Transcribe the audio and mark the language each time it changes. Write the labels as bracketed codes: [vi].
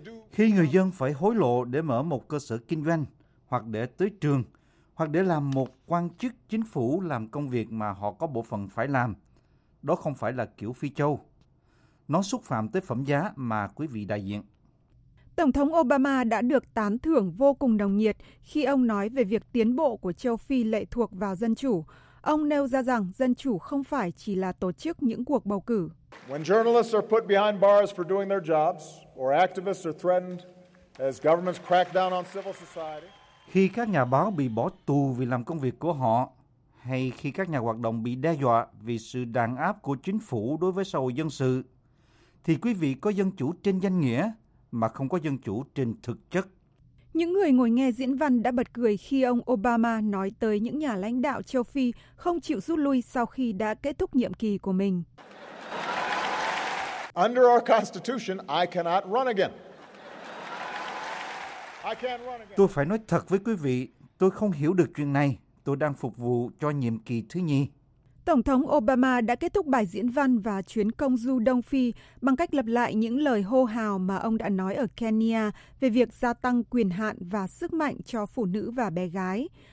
[vi] Khi người dân phải hối lộ để mở một cơ sở kinh doanh, hoặc để tới trường, hoặc để làm một quan chức chính phủ làm công việc mà họ có bổn phận phải làm, đó không phải là kiểu Phi Châu. Nó xúc phạm tới phẩm giá mà quý vị đại diện. Tổng thống Obama đã được tán thưởng vô cùng nồng nhiệt khi ông nói về việc tiến bộ của châu Phi lệ thuộc vào dân chủ. Ông nêu ra rằng dân chủ không phải chỉ là tổ chức những cuộc bầu cử. [en] When journalists are put behind bars for doing their jobs, or activists are threatened as governments crack down on civil society. [vi] Khi các nhà báo bị bỏ tù vì làm công việc của họ, hay khi các nhà hoạt động bị đe dọa vì sự đàn áp của chính phủ đối với xã hội dân sự, thì quý vị có dân chủ trên danh nghĩa mà không có dân chủ trên thực chất. Những người ngồi nghe diễn văn đã bật cười khi ông Obama nói tới những nhà lãnh đạo châu Phi không chịu rút lui sau khi đã kết thúc nhiệm kỳ của mình. [en] Under our constitution, I cannot run again. [vi] Tôi phải nói thật với quý vị, tôi không hiểu được chuyện này. Tôi đang phục vụ cho nhiệm kỳ thứ nhì. Tổng thống Obama đã kết thúc bài diễn văn và chuyến công du Đông Phi bằng cách lặp lại những lời hô hào mà ông đã nói ở Kenya về việc gia tăng quyền hạn và sức mạnh cho phụ nữ và bé gái.